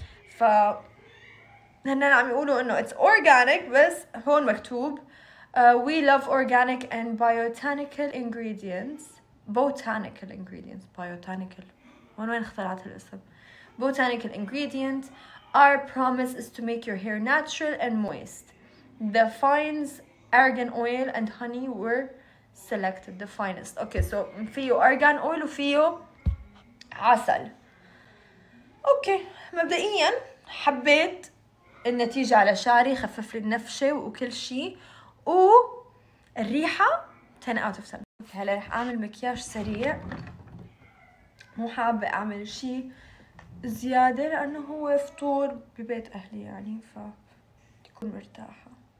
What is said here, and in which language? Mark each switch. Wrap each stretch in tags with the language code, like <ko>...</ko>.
<ar>ف هنا عم يقولوا انه</ar> <en>it's organic،</en> <ar>بس هون مكتوب</ar> <en>we love organic and botanical ingredients. Botanical ingredients. Botanical.</en> <ar>وين اخترعت الاسم؟</ar> <en>Botanical ingredients. Our promise is to make your hair natural and moist. The finest argan oil and honey were selected. The finest. Okay, so فيه argan oil</en> <ar>وفيه عسل.</ar> <en>Okay.</en> <ar>مبدئيا حبيت النتيجة على شعري، خفف لي النفشة وكل شيء. و الريحة</ar> <en>10 out of 10.</en> <ar>هلا رح اعمل مكياج سريع، مو حابة اعمل شي زيادة لانه هو فطور ببيت اهلي يعني، ف تكون مرتاحة.</ar>